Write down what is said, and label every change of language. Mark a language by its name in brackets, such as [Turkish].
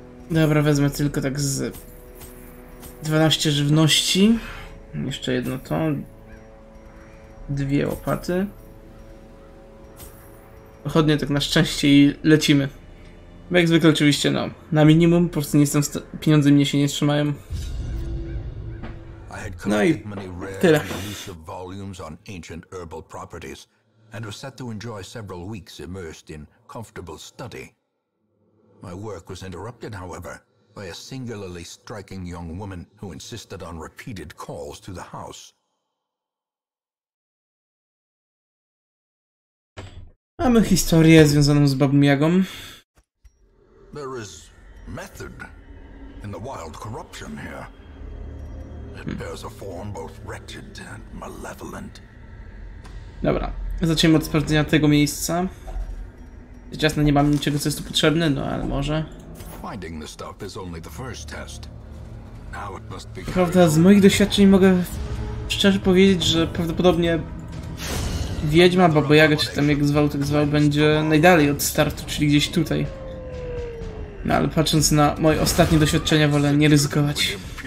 [Polish] Dobra, wezmę tylko tak z... 12 żywności. Jeszcze jedno to. Dwie łopaty. Pochodnie tak na szczęście i lecimy. Bo jak zwykle oczywiście, no, na minimum, po prostu nie jestem pieniądze mnie się nie trzymają. No i tyle. [English] Volumes on ancient herbal properties, and was set to enjoy several weeks immersed in comfortable study. My work was interrupted, however, by a singularly striking young woman who insisted on repeated calls to the house. [Polish] Mamy historię związaną z Babą Jagą. [English] There is method in the wild corruption here. It bears a form both wretched and malevolent. [Polish] Dobra, zacznijmy od sprawdzenia tego miejsca. Jest jasne, nie mam niczego, co jest tu potrzebne, no ale może. [English] Finding the stuff is only the first test. Now it must be... [Polish] Prawda, z moich doświadczeń mogę szczerze powiedzieć, że prawdopodobnie Wiedźma, Baba Jaga, czy tam jak zwał, tak zwał, będzie najdalej od startu, czyli gdzieś tutaj. No ale patrząc na moje ostatnie doświadczenia, wolę nie ryzykować.